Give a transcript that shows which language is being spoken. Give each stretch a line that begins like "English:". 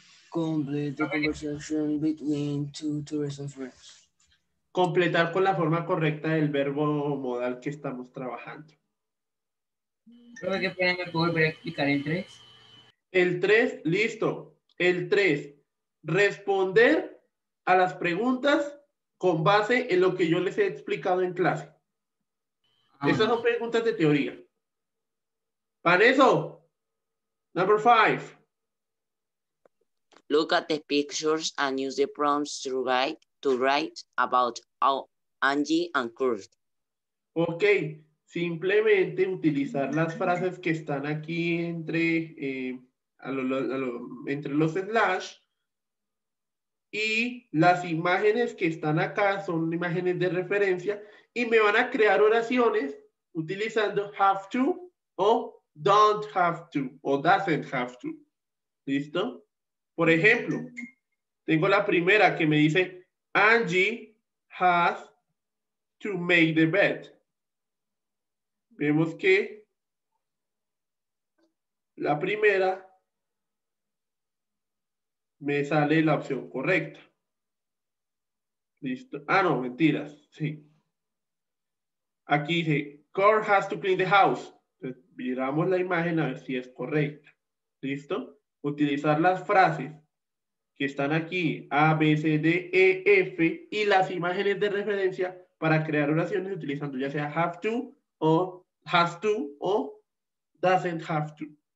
English: Complete the conversation between two tourists and friends.
Spanish: Completar con la forma correcta el verbo modal que estamos trabajando. ¿Puedo explicar el 3? El 3, listo. El 3, responder a las preguntas con base en lo que yo les he explicado en clase. Ah. Esas son preguntas de teoría. Para eso, number 5.
English: Look at the pictures and use the prompts to write about Angie and Kurt.
Spanish: Ok, simplemente utilizar las frases que están aquí entre los slash y las imágenes que están acá son imágenes de referencia y me van a crear oraciones utilizando have to o don't have to o doesn't have to. ¿Listo? Por ejemplo, tengo la primera que me dice Angie has to make the bed. Vemos que la primera me sale la opción correcta. Listo. Ah, no, mentiras. Sí. Aquí dice Core has to clean the house. Entonces, miramos la imagen a ver si es correcta. ¿Listo? Utilizar las frases que están aquí, A, B, C, D, E, F, y las imágenes de referencia para crear oraciones utilizando ya sea have to o has to o doesn't have to.